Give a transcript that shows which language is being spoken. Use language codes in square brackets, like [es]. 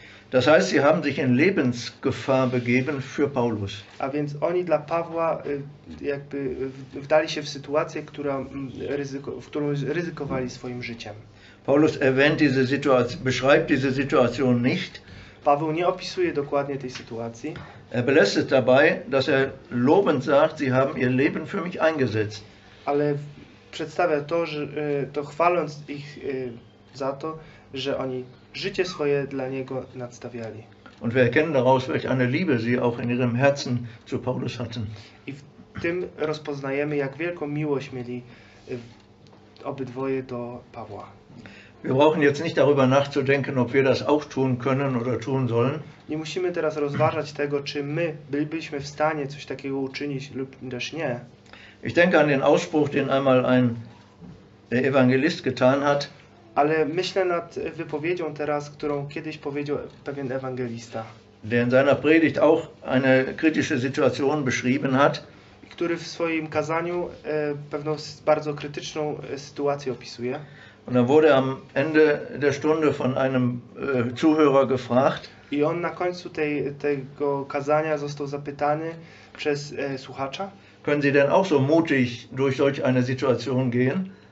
[de] Das heißt, sie haben sich in Lebensgefahr begeben für Paulus. [pl] A więc oni dla Pawła jakby wdali się w sytuację, która w którą ryzykowali swoim życiem. [de] Paulus erwähnt diese Situation, beschreibt diese Situation nicht. [pl] Paweł nie opisuje dokładnie tej sytuacji. [de] Er belässt es dabei, dass er lobend sagt, sie haben ihr Leben für mich eingesetzt. [pl] Ale przedstawia to, że to chwaląc ich za to, że oni życie swoje dla niego nadstawiali. [de] Und wir erkennen daraus, welche eine Liebe sie auch in ihrem Herzen zu Paulus hatten. [pl] I w tym rozpoznajemy, jak wielką miłość mieli obydwoje do Pawła. [de] Wir brauchen jetzt nicht darüber nachzudenken, ob wir das auch tun können oder tun sollen. [pl] Nie musimy teraz rozważać tego, czy my bylibyśmy w stanie coś takiego uczynić lub też nie. [de] Ich denke an den Ausspruch, den einmal ein Evangelist getan hat. [pl] Ale myślę nad wypowiedzią teraz, którą kiedyś powiedział pewien ewangelista. [de] Der in seiner Predigt auch eine kritische Situation beschrieben hat. [pl] Który w swoim kazaniu pewną bardzo krytyczną sytuację opisuje. [de] Und dann wurde am Ende der Stunde von einem Zuhörer gefragt. [pl] I on na końcu tego kazania został zapytany przez słuchacza. [de] Können Sie denn auch so mutig durch solch eine Situation gehen?